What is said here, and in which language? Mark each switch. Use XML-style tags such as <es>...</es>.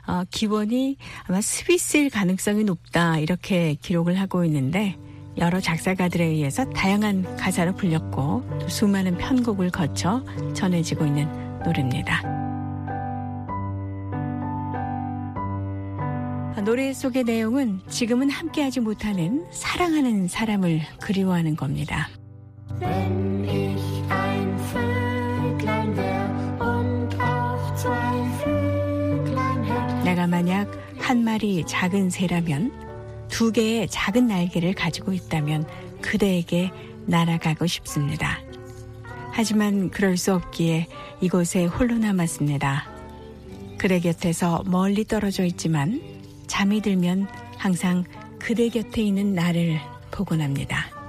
<ko>기원이 아마 스위스일 가능성이 높다 이렇게 기록을 하고 있는데 여러 작사가들에 의해서 다양한 가사로 불렸고 또 수많은 편곡을 거쳐 전해지고 있는 노래입니다. 노래 속의 내용은 지금은 함께하지 못하는 사랑하는 사람을 그리워하는 겁니다.</ko> <de>Wenn ich ein Vöglein wär und auch zwei Vöglein hätt.</de> <ko>내가 만약 한 마리 작은 새라면 두 개의 작은 날개를 가지고 있다면 그대에게 날아가고 싶습니다. 하지만 그럴 수 없기에 이곳에 홀로 남았습니다. 그대 곁에서 멀리 떨어져 있지만 잠이 들면 항상 그대 곁에 있는 나를 보곤 합니다.</ko>